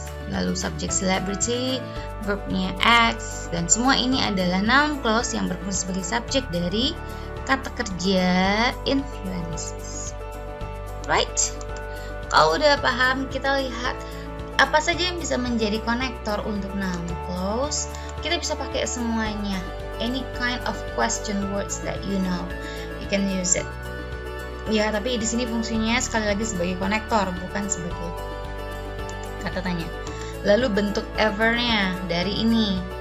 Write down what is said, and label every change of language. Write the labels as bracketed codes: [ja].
[id] Lalu subjek celebrity, verbnya acts, dan semua ini adalah noun clause yang berfungsi sebagai subjek dari kata kerja influences. [en] Right? [id] Kalau udah paham, kita lihat apa saja yang bisa menjadi konektor untuk noun clause. Kita bisa pakai semuanya. [en] Any kind of question words that you know, you can use it. [id] Ya, tapi di sini fungsinya sekali lagi sebagai konektor, bukan sebagai kata tanya. Lalu bentuk ever-nya dari ini.